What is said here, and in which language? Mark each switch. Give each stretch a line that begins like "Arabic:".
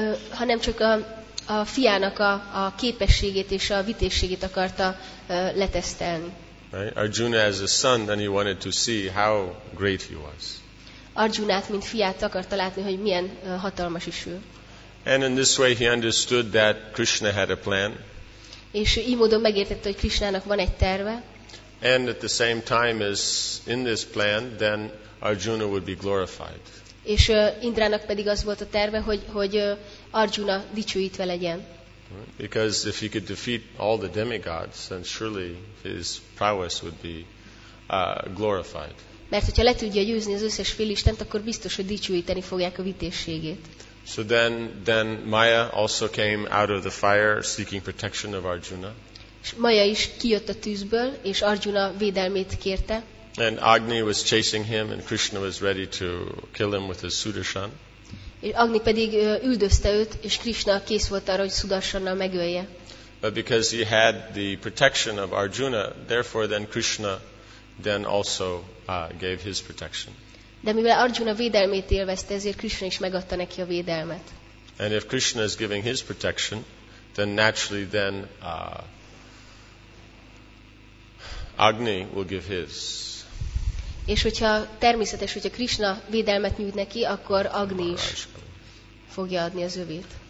Hungarian: Hanem csak a fiának a képességét és a vitességét akarta letesztelni.
English: Right? Arjuna as a son, then he wanted to see how great he was.
Hungarian: Arjunát, mint fiát akarta látni, hogy milyen hatalmas is ő.
English: And in this way he understood that Krishna had a plan.
Hungarian: És így módon megértette, hogy Krishnának van egy terve.
English: And at the same time as in this plan, then Arjuna would be glorified.
Hungarian: És Indrának pedig az volt a terve, hogy Arjuna dicsőítve legyen.
English: Because if he could defeat all the demigods, then surely his prowess would be glorified.
Hungarian: Mert hogyha le tudja győzni az összes félistent, akkor biztos, hogy dicsőíteni fogják a vitézségét.
English: So then Maya also came out of the fire seeking protection of Arjuna.
Hungarian: És Maya is kijött a tűzből, és Arjuna védelmét kérte.
English: And Agni was chasing him, and Krishna was ready to kill him with his Sudarshan.
Hungarian: Agni pedig üldözte őt, és Krishna kész volt arra, hogy Sudarshannal megölje.
English: But because he had the protection of Arjuna, therefore then Krishna then also gave his protection.
Hungarian: De mivel Arjuna védelmét élvezte, ezért Krishna is megadta neki a védelmet.
English: And if Krishna is giving his protection, then naturally then Agni will give his.
Hungarian: És hogyha természetes, hogyha Krishna védelmet nyújt neki, akkor Agni is fogja adni az övét.